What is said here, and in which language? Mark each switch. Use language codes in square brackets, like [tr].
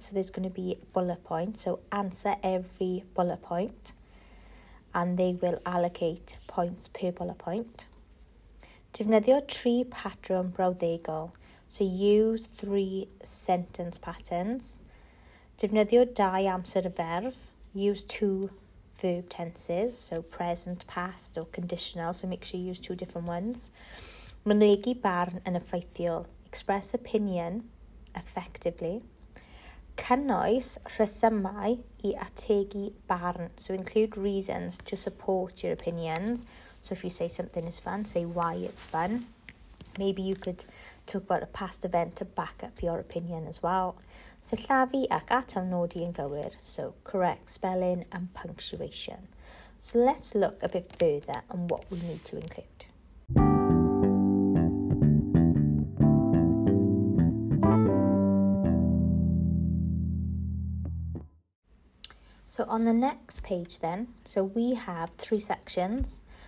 [en] So, there's going to be bullet points. So, answer every bullet point. And they will allocate points per bullet point. [cy] Defnyddio tri patrwm brawddegol. [en] So, use three sentence patterns. [cy] Defnyddio dau amser y ferf. [en] Use two verb tenses, so present, past, or conditional, so make sure you use two different ones. [cy] Mynegi barn yn effeithiol. [en] Express opinion effectively. [cy] Cynnwys rhesymau I ategu barn. [en] So include reasons to support your opinions. So if you say something is fun, say why it's fun. Maybe you could talk about a past event to back up your opinion as well. [cy] Sillafu ac atal nodi yn gywir. [en] So correct spelling and punctuation. So let's look a bit further on what we need to include. So on the next page then, so we have three sections.